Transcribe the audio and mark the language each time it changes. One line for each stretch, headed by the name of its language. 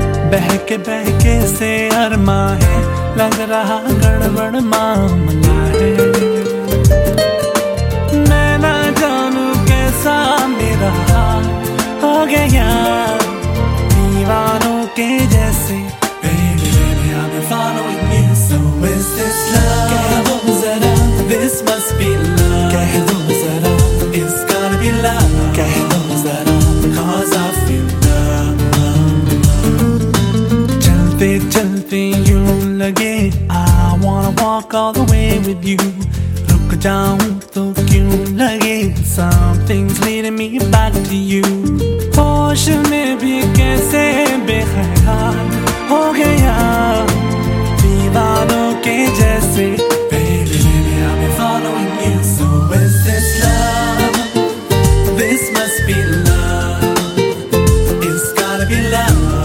Hindi: बहके से अरमा है, लग रहा गड़बड़ मामला है. मैं ना जानू कैसा मेरा हाल हो गया दीवानों के जैसे.
English: Baby, baby, I've been following you. So is this love?
Hindi: कह दो जरा,
English: this must be love. कह दो जरा, it's gotta be love.
Hindi: कह दो जरा,
English: cause I feel
Hindi: चलते चलते यूं लगे.
English: I wanna walk all the way with you.
Hindi: रुक जाऊं तो क्यों लगे.
English: Something's leading me back to you.
Hindi: होश में भी कैसे बेख्याल हो गया दीवानों के जैसे.
English: Baby, baby, I've been following you. So is this love? This must be love. It's gotta be love.